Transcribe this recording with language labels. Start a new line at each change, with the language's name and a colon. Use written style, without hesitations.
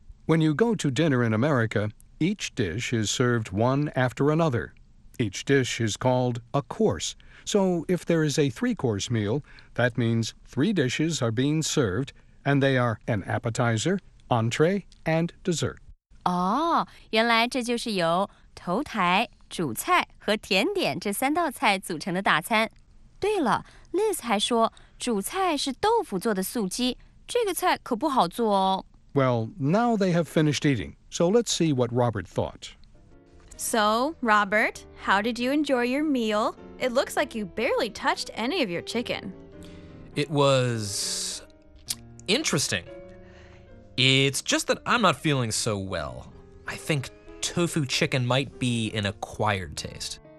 English: When you go to dinner in America, each dish is served one after another. Each dish is called a course. So if there is a 3-course meal, that means 3 dishes are being served, and they are an appetizer, entree, and dessert.
Chinese: Oh, 原来这就是由头台、主菜和甜点这三道菜组成的大餐。对了 ,Liz 还说主菜是豆腐做的素鸡,这个菜可不好做哦。
English: Well, now they have finished eating, so let's see what Robert thought. So, Robert, how did you enjoy your meal? It looks like you barely touched any of your chicken. It was... interesting. It's just that I'm not feeling so well. I think tofu chicken might be an acquired taste.